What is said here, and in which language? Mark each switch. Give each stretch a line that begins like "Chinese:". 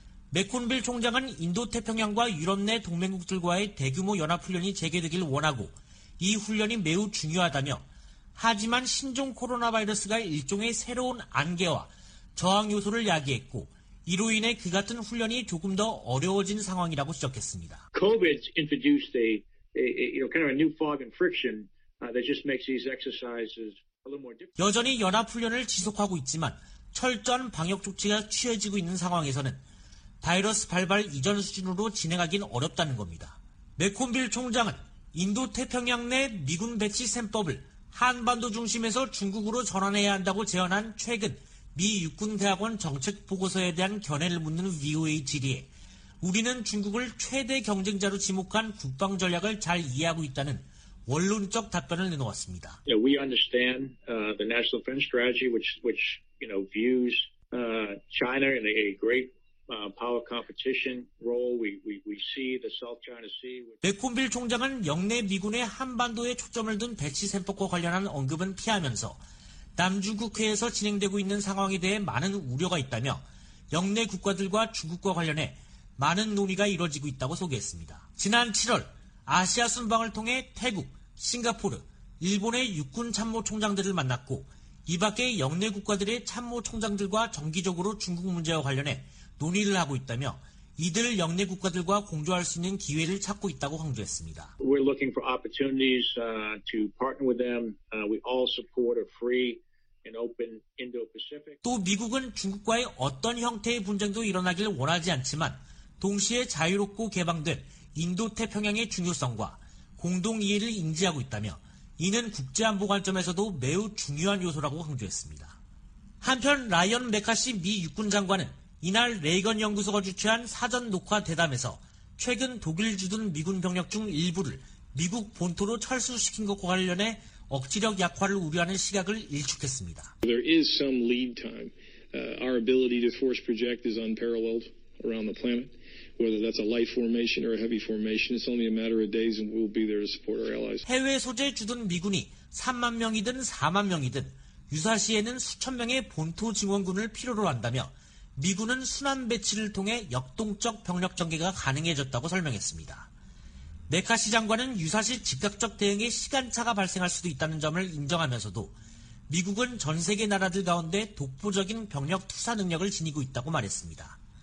Korean: 맥콘빌 총장은 인도태평양과 유럽 내 동맹국들과의 대규모 연합훈련이 재개되길 원하고 이 훈련이 매우 중요하다며 하지만 신종 코로나 바이러스가 일종의 새로운 안개와 저항 요소를 야기했고 이로 인해 그 같은 훈련이 조금 더 어려워진 상황이라고 지적했습니다.
English: COVID introduced a new fog and friction that just makes these exercises a little more difficult.
Korean: 여전히 연합훈련을 지속하고 있지만 철저한 방역조치가 취해지고 있는 상황에서는 바이러스 발발 이전 수준으로 진행하기는 어렵다는 겁니다. 맥콘빌 총장은 인도 태평양 내 미군 배치 셈법을 한반도 중심에서 중국으로 전환해야 한다고 제안한 최근 미 육군대학원 정책보고서에 대한 견해를 묻는 VOA 질의에 우리는 중국을 최대 경쟁자로 지목한 국방전략을 잘 이해하고 있다는 원론적 답변을 내놓았습니다.
English: Yeah, we understand the national defense strategy which you know views China in a great power competition role. We see the South China Sea.
Korean: 맥콘빌 총장은 영내 미군의 한반도에 초점을 둔 배치 셈법과 관련한 언급은 피하면서 남중국해에서 진행되고 있는 상황에 대해 많은 우려가 있다며 영내 국가들과 중국과 관련해 많은 논의가 이뤄지고 있다고 소개했습니다. 지난 7월 아시아 순방을 통해 태국, 싱가포르, 일본의 육군 참모총장들을 만났고 이밖에 영내 국가들의 참모총장들과 정기적으로 중국 문제와 관련해 논의를 하고 있다며 이들 영내 국가들과 공조할 수 있는 기회를 찾고 있다고 강조했습니다.
English: We're looking for opportunities to partner with them. We all support a free and open Indo-Pacific.
Korean: 또 미국은 중국과의 어떤 형태의 분쟁도 일어나길 원하지 않지만 동시에 자유롭고 개방된 인도태평양의 중요성과 공동 이해를 인지하고 있다며 이는 국제안보 관점에서도 매우 중요한 요소라고 강조했습니다. 한편 라이언 메카시 미 육군 장관은 이날 레이건 연구소가 주최한 사전 녹화 대담에서 최근 독일 주둔 미군 병력 중 일부를 미국 본토로 철수시킨 것과 관련해 억지력 약화를 우려하는 시각을 일축했습니다.
English: There is some lead time. Our ability to force project is unparalleled around the planet. Whether that's a light formation or a heavy formation, it's only a matter of days and we'll be there to support our allies.
Korean: 해외 소재 주둔 미군이 3만 명이든 4만 명이든 유사시에는 수천 명의 본토 증원군을 필요로 한다며 미군은 순환 배치를 통해 역동적 병력 전개가 가능해졌다고 설명했습니다. 메카시 장관은 유사시 즉각적 대응에 시간차가 발생할 수도 있다는 점을 인정하면서도 미국은 전 세계 나라들 가운데 독보적인 병력 투사 능력을 지니고 있다고 말했습니다.